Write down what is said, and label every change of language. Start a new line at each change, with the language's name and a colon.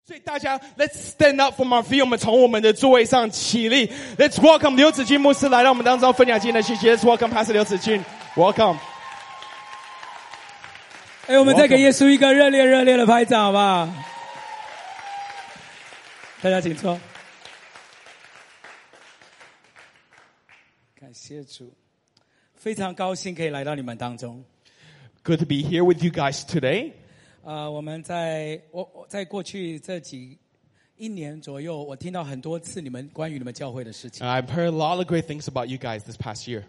Chinese: 所以大家,
English: let's stand up for my feet.
Chinese: 我们从我们的座位上起立.
English: Let's welcome
Chinese: 刘子敬牧师来到我们当中分享今天的信息。
English: Let's welcome Pastor
Chinese: 刘子敬.
English: Welcome.
Chinese: 我们再给耶稣一个热烈热烈的拍掌好不好？大家请坐。感谢主，非常高兴可以来到你们当中。
English: Good to be here with you guys today.
Chinese: 我们在过去这几一年左右，我听到很多次你们关于你们教会的事情。
English: I've heard a lot of great things about you guys this past year.